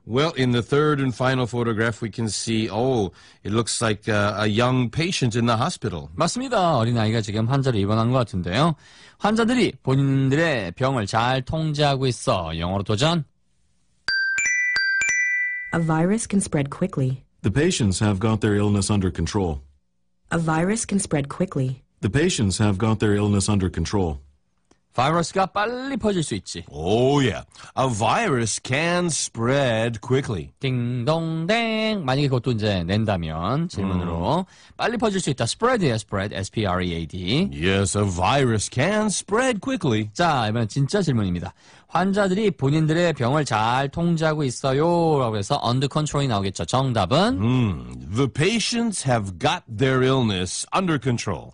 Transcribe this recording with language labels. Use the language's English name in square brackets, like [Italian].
[English] Well, in the third and final photograph, we can see, oh, it looks like a young patient in the hospital. [Korean] 맞습니다. 어린아이가 지금 환자를 입원한 것 같은데요. 환자들이 본인들의 병을 잘 통제하고 있어. 영어로 도전. [English] A virus can spread quickly. The patients have got their illness under control. A virus can spread quickly. The patients have got their illness under control. [Korean] 바이러스가 빨리 퍼질 수 있지. [English] Oh yeah. A virus can spread quickly. [Korean] 딩동댕. 만약에 그것도 이제 낸다면 질문으로 빨리 퍼질 수 있다. Spread이에요. Spread. S-P-R-E-A-D. [English] Yes, a virus can spread quickly. [Korean] 자, 이번엔 진짜 질문입니다. 환자들이 본인들의 병을 잘 통제하고 있어요. 라고 해서 under control이 나오겠죠. 정답은? [English] The patients have got their illness under control.